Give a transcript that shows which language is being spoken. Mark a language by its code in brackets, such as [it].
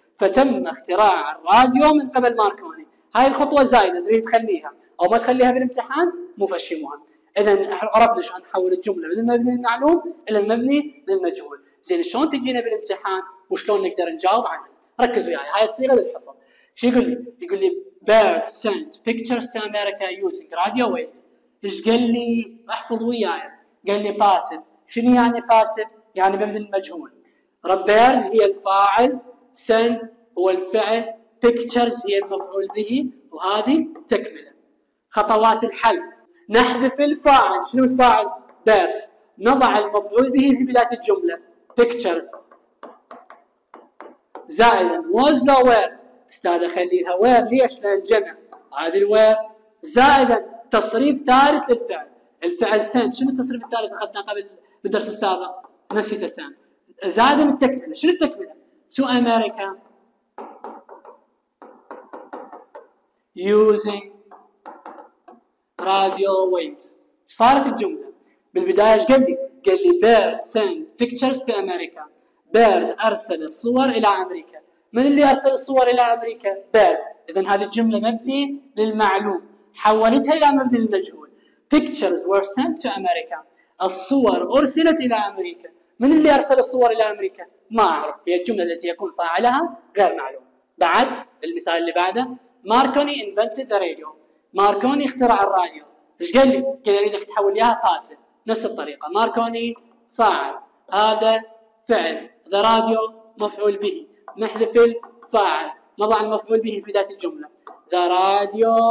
[ar] فتم اختراع الراديو من قبل ماركوني. هاي الخطوة زايدة تريد تخليها أو ما تخليها بالامتحان، مو فشي مهم. إذن عرفنا شلون نحول الجملة من المبني المعلوم إلى المبني للمجهول. زين شلون تجينا بالامتحان وشلون نقدر نجاوب عنه؟ ركزوا وياي، هاي الصيغة للحفظ. شو يقول لي؟ يقول لي [en] Bird sent pictures to America using radio waves. [ar] إيش قال لي؟ أحفظ وياي. قال لي passive. شنو يعني passive؟ يعني مبني المجهول. Bird هي الفاعل، send هو الفعل، pictures هي المفعول به، وهذه تكمله. خطوات الحل: نحذف الفاعل، شنو الفاعل؟ Bird. نضع المفعول به في بداية الجملة، pictures. زائدا was the where، استاذ خلي لها where، ليش؟ لان جمع، هذه الوير. زائدا تصريف ثالث للفعل، الفعل سنت، شنو التصريف الثالث اخذناه قبل بالدرس السابق؟ نسيت اسام. زائدا التكمله، شنو التكمله؟ [en] to America using radio waves. [ar] صارت الجمله بالبدايه ايش قال لي؟ قال لي [en] bird sent pictures to America. [ar] بيرد أرسل الصور إلى أمريكا. من اللي أرسل الصور إلى أمريكا؟ بيرد. إذن هذه الجملة مبني للمعلوم، حولتها إلى مبني للمجهول. [en] Pictures were sent to America. [ar] الصور أرسلت إلى أمريكا. من اللي أرسل الصور إلى أمريكا؟ ما أعرف، هي الجملة التي يكون فاعلها غير معلوم. بعد المثال اللي بعده، ماركوني [en] invented the radio. [ar] ماركوني اخترع الراديو. إيش قال لي؟ قال لي إذاك تحول إياها فاسد. نفس الطريقة، ماركوني فاعل، هذا فعل، ذا راديو مفعول به، نحذف الفاعل، نضع المفعول به في بداية الجملة، ذا راديو.